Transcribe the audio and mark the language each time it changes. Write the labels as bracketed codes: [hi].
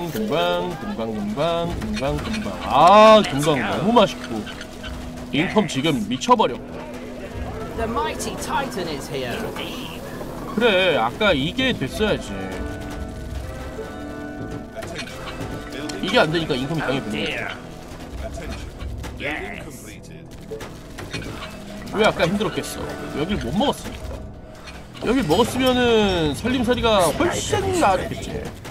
[ko] 금방 아, 금방 너무 맛있고 인펌 지금 미쳐버려. [en] The mighty titan is here. [ko] 그래, 아까 이게 됐어야지. 이게 안 되니까 인컴이 당해버린 거야. 왜 아까 힘들었겠어? 여길 못 먹었으니까. 여길 먹었으면은 살림살이가 훨씬 나았겠지.